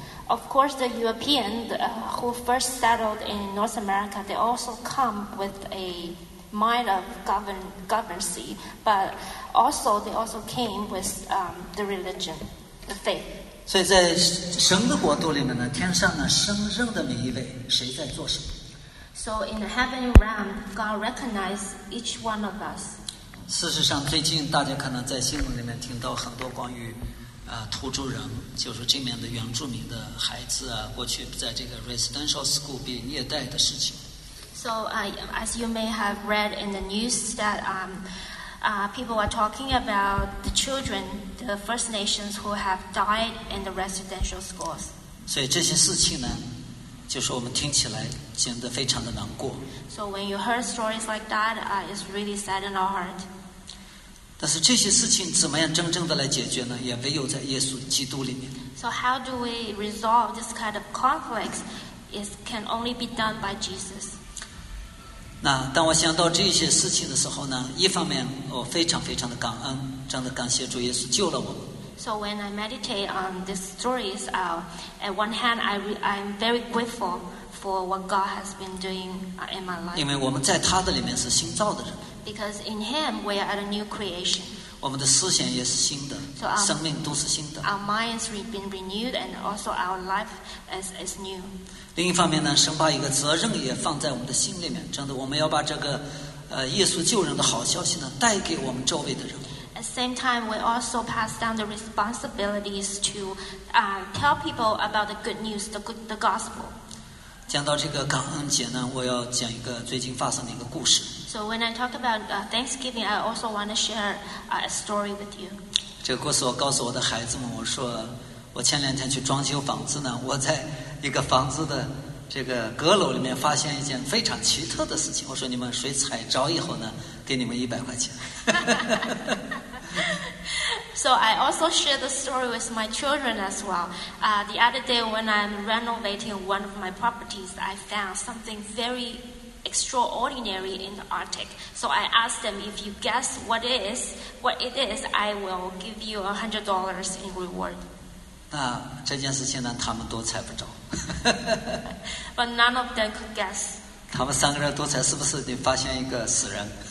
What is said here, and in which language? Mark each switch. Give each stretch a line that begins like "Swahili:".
English: Of course, the Europeans who first settled in North America, they also come with a mind of governance, but also they also came with the religion, the faith.
Chinese: 所以在神的国度里面呢，天上呢升任的每一位，谁在做什么
English: ？So in the heavenly realm, God recognizes each one of us.
Chinese: 事实上，最近大家可能在新闻里面听到很多关于。土著人就是这面的原住民的孩子啊，过去在这个 residential school 被虐待的事情。
English: So, as you may have read in the news that people are talking about the children, the First Nations who have died in the residential schools.
Chinese: 所以这些事情呢，就是我们听起来觉得非常的难过。
English: So when you heard stories like that, it's really sad in our heart.
Chinese: 但是这些事情怎么样真正的来解决呢？也唯有在耶稣基督里面。
English: So how do we resolve this kind of conflicts? It can only be done by Jesus.
Chinese: 那当我想到这些事情的时候呢，一方面我非常非常的感恩，真的感谢主耶稣救了我们。
English: So when I meditate on these stories, at one hand I'm very grateful for what God has been doing in my life.
Chinese: 因为我们在他的里面是新造的人。
English: Because in Him we are a new creation.
Chinese: 我们的思想也是新的，生命都是新的。
English: Our minds have been renewed, and also our life is new.
Chinese: 另一方面呢，神把一个责任也放在我们的心里面，真的，我们要把这个耶稣救人的好消息呢，带给我们周围的人。
English: At the same time, we also pass down the responsibilities to tell people about the good news, the gospel.
Chinese: 讲到这个感恩节呢，我要讲一个最近发生的一个故事。
English: So when I talk about Thanksgiving, I also want to share a story with you.
Chinese: 这个故事我告诉我的孩子们，我说我前两天去装修房子呢，我在一个房子的这个阁楼里面发现一件非常奇特的事情。我说你们谁踩着以后呢，给你们100块钱。
English: So I also share the story with my children as well. The other day when I'm renovating one of my properties, I found something very extraordinary in the attic. So I asked them, if you guess what it is, I will give you $100 in reward.
Chinese: 那这件事情呢，他们都猜不着。
English: But none of them could guess.
Chinese: 他们三个人多才，是不是你发现一个死人